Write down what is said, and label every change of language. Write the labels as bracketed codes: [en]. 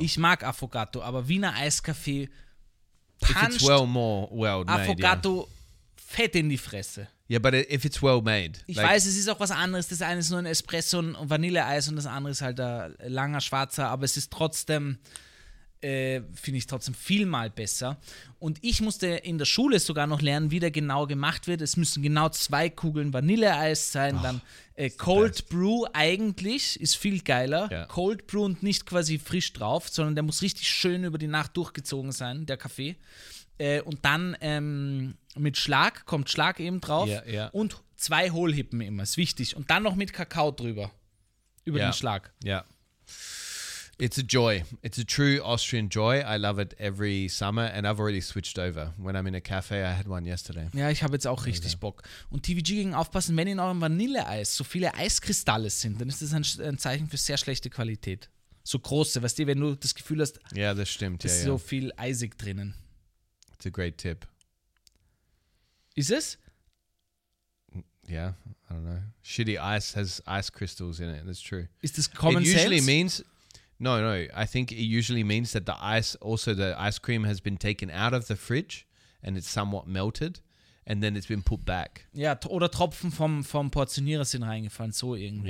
[de] Ich mag Affogato, aber Wiener Eiskaffee puncht. [en] If it's well more well made. Affogato yeah. [de] fett in die Fresse. [en] Yeah, but if it's well made. [de] Ich weiß, es ist auch was anderes. Das eine ist nur ein Espresso und Vanilleeis und das andere ist halt ein langer Schwarzer, aber es ist trotzdem, finde ich trotzdem viel mal besser. Und ich musste in der Schule sogar noch lernen, wie der genau gemacht wird. Es müssen genau 2 Kugeln Vanilleeis sein. Oh, dann Cold Brew eigentlich ist viel geiler. Yeah. Cold Brew und nicht quasi frisch drauf, sondern der muss richtig schön über die Nacht durchgezogen sein, der Kaffee. Und dann mit Schlag, kommt Schlag eben drauf. Ja, ja. Und zwei Hohlhippen immer, ist wichtig. Und dann noch mit Kakao drüber, über den Schlag. [en] Ja. It's a joy. It's a true Austrian joy. I love it every summer and I've already switched over. When I'm in a cafe, I had one yesterday. [de] Ja, ich habe jetzt auch richtig Bock. Und TVG gegen aufpassen, wenn in eurem Vanilleeis so viele Eiskristalle sind, dann ist das ein Zeichen für sehr schlechte Qualität. So große, weißt du, wenn du das Gefühl hast, ja, das stimmt. Ist so viel eisig drinnen. [en] It's a great tip. [de] Ist es? [en] Yeah, I don't know. Shitty ice has ice crystals in it. That's true. [de] Ist das [en] common sense? It usually means... No, no. I think it usually means that the ice, also the ice cream has been taken out of the fridge and it's somewhat melted and then it's been put back. [de] Ja, oder Tropfen vom Portionierer sind reingefallen, so irgendwie.